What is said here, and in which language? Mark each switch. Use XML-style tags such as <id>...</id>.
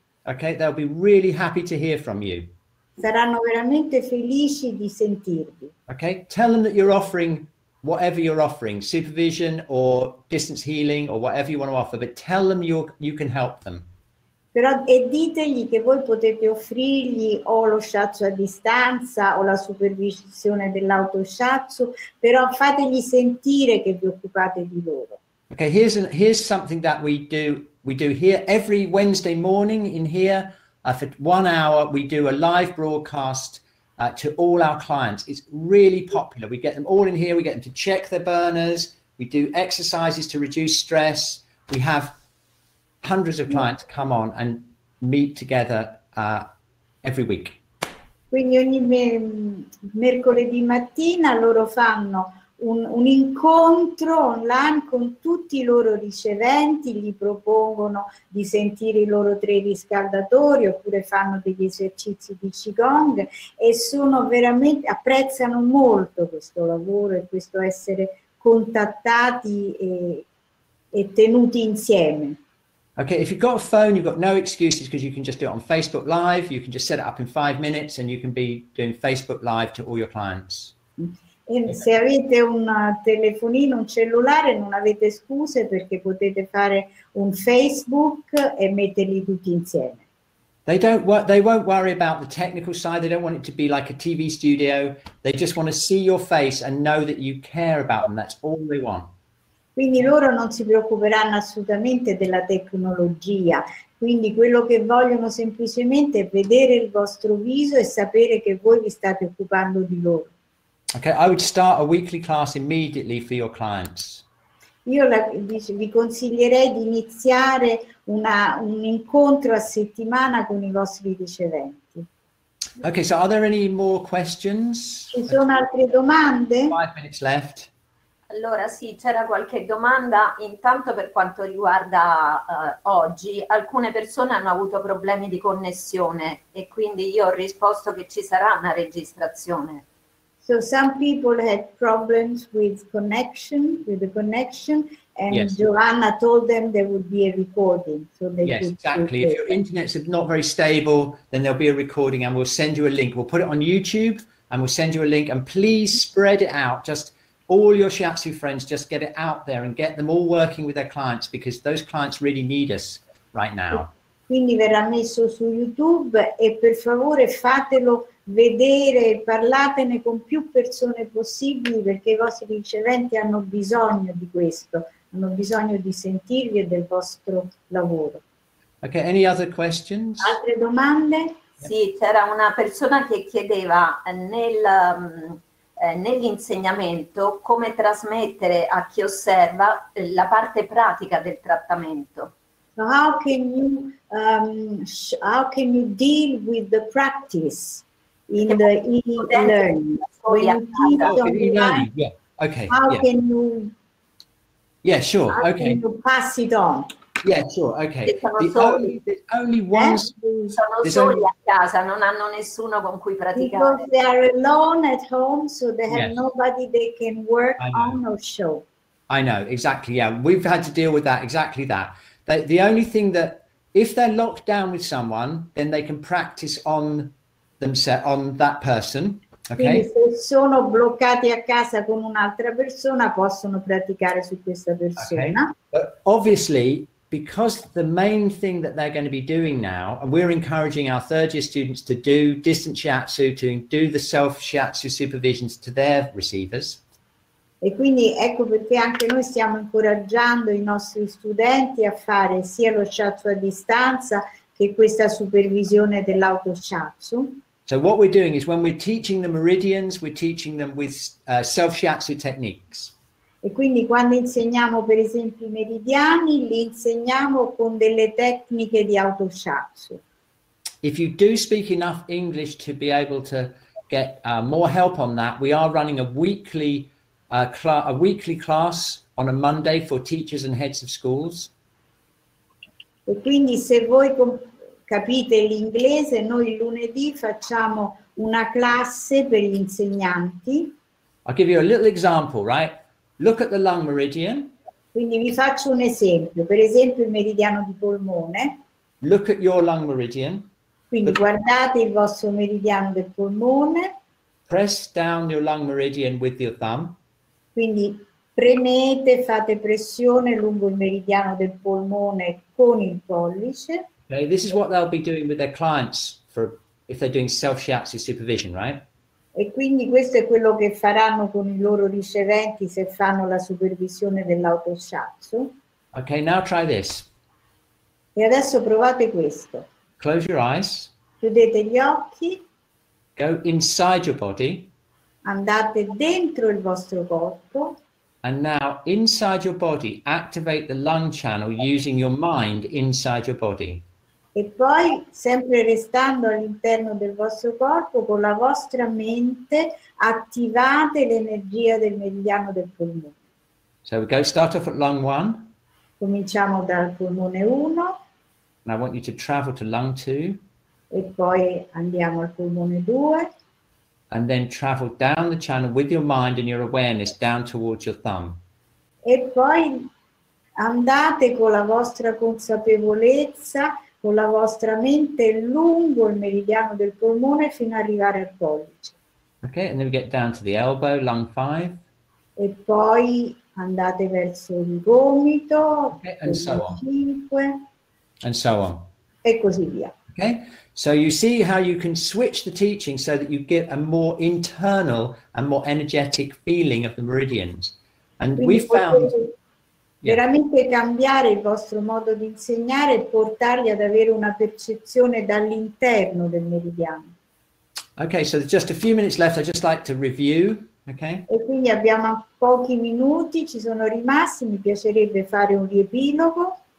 <en>Okay, they'll be really happy to hear from you.</en> <it>Saranno veramente felici di sentirvi.</it> <en>Okay, tell them that you're offering whatever you're offering, supervision or distance healing or whatever you want to offer, but tell them you can help them.</en> <it>Però e ditegli che voi potete offrirgli o lo shiatsu a distanza o la supervisione dell'auto shiatsu, però fategli sentire che vi occupate di loro.</it> <en>Okay, here's something that we do here every Wednesday morning in here for 1 hour. We do a live broadcast to all our clients. It's really popular. We get them all in here. We get them to check their burners. We do exercises to reduce stress. We have hundreds of clients come on and meet together every week.</en> <it>Quindi ogni mercoledì mattina loro fanno un incontro online con tutti i loro riceventi, gli propongono di sentire i loro tre riscaldatori oppure fanno degli esercizi di Qigong e sono veramente, apprezzano molto questo lavoro e questo essere contattati e tenuti insieme.</it> <en>Okay, if you've got a phone, you've got no excuses because you can just do it on Facebook Live. You can just set it up in 5 minutes and you can be doing Facebook Live to all your clients.</en> <it>Se avete un telefonino, un cellulare, non avete scuse perché potete fare un Facebook e metterli tutti insieme.</it> <en>They won't worry about the technical side. They don't want it to be like a TV studio. They just want to see your face and know that you care about them. That's all they want.</en> <it>Quindi loro non si preoccuperanno assolutamente della tecnologia. Quindi quello che vogliono semplicemente è vedere il vostro viso e sapere che voi vi state occupando di loro.</it> <en>Okay, I would start a weekly class immediately for your clients.</en> <it>Io vi consiglierei di iniziare un incontro a settimana con i vostri riceventi.</it> <en>Okay, so are there any more questions?</en> <it>Ci sono altre domande?</it> <en>5 minutes left.</en> <it>Allora sì, c'era qualche domanda, intanto per quanto riguarda oggi, alcune persone hanno avuto problemi di connessione e quindi io ho risposto che ci sarà una registrazione.</it> <en>So some people had problems with the connection and yes. Giovanna told them there would be a recording. So they yes, exactly. If your internet's not very stable, then there'll be a recording and we'll send you a link. We'll put it on YouTube and we'll send you a link and please spread it out, just all your Shiatsu friends, just get it out there and get them all working with their clients because those clients really need us right now.</en> <it>Quindi verrà messo su YouTube e per favore fatelo vedere, parlatene con più persone possibili perché i vostri riceventi hanno bisogno di questo, hanno bisogno di sentirvi e del vostro lavoro.</it> <en>Okay, any other questions?</en> <it>Altre domande?</it> <en>Yep.</en> <it>Sì, c'era una persona che chiedeva nell'insegnamento come trasmettere a chi osserva la parte pratica del trattamento.</it> <en>So how can you deal with the practice in the e-learning. Because they are alone at home, so they have nobody they can work on or show. I know, exactly. Yeah, we've had to deal with that, exactly that. The only thing that, if they're locked down with someone, then they can practice on themselves, on that person. Okay.</en> <it>Quindi se sono bloccati a casa con un'altra persona possono praticare su questa persona.</it> <en>Okay. But obviously, because the main thing that they're going to be doing now, and we're encouraging our third year students to do distance shiatsu, to do the self shiatsu supervisions to their receivers.</en> <it>E quindi ecco perché anche noi stiamo incoraggiando i nostri studenti a fare sia lo shiatsu a distanza che questa supervisione dell'auto shiatsu.</it> <en>So what we're doing is when we're teaching the meridians, we're teaching them with self-shiatsu techniques.</en> <it>E quindi quando insegniamo, per esempio, i meridiani, li insegniamo con delle tecniche di auto-shiatsu.</it> <en>If you do speak enough English to be able to get more help on that, we are running a weekly class on a Monday for teachers and heads of schools.</en> <it>E quindi se voi capite l'inglese, noi il lunedì facciamo una classe per gli insegnanti.</it> <en>I'll give you a little example, right? Look at the lung meridian.</en> <it>Quindi vi faccio un esempio. Per esempio il meridiano di polmone.</it> <en>Look at your lung meridian.</en> <it>Quindi guardate il vostro meridiano del polmone.</it> <en>Press down your lung meridian with your thumb.</en> <it>Quindi premete, fate pressione lungo il meridiano del polmone con il pollice.</it> <en>Okay, this is what they'll be doing with their clients for if they're doing self-shiatsu supervision, right?</en> <it>E quindi questo è quello che faranno con i loro riceventi se fanno la supervisione dell'auto-shiatsu.</it> <en>Okay, now try this.</en> <it>E adesso provate questo.</it> <en>Close your eyes.</en> <it>Chiudete gli occhi.</it> <en>Go inside your body.</en> <it>Andate dentro il vostro corpo.</it> <en>And now inside your body, activate the lung channel using your mind inside your body.</en> <it>E poi, sempre restando all'interno del vostro corpo, con la vostra mente, attivate l'energia del meridiano del polmone.</it> <en>So we go start off at lung one.</en> <it>Cominciamo dal polmone 1.</it> <en>And I want you to travel to lung 2.</en> <it>E poi andiamo al polmone 2.</it> <en>And then travel down the channel with your mind and your awareness down towards your thumb.</en> <it>E poi andate con la vostra consapevolezza, con la vostra mente lungo il meridiano del polmone fino ad arrivare al pollice.</it> <en>Okay, and then we get down to the elbow, lung 5.</en> <it>E poi andate verso il gomito, okay,</it> <en>and so on. 5. And so on.</en> <it>E così via.</it> <en>Okay, so you see how you can switch the teaching so that you get a more internal and more energetic feeling of the meridians. And</en> <it>quindi</it> <en>we found</en> <it>veramente cambiare il vostro modo di insegnare e portarli ad avere una percezione dall'interno del meridiano.</it> <en>Okay, so there's just a few minutes left. I'd just like to review. Okay.</en> <it>E quindi abbiamo pochi minuti, ci sono rimasti, mi piacerebbe fare un riepilogo.</it>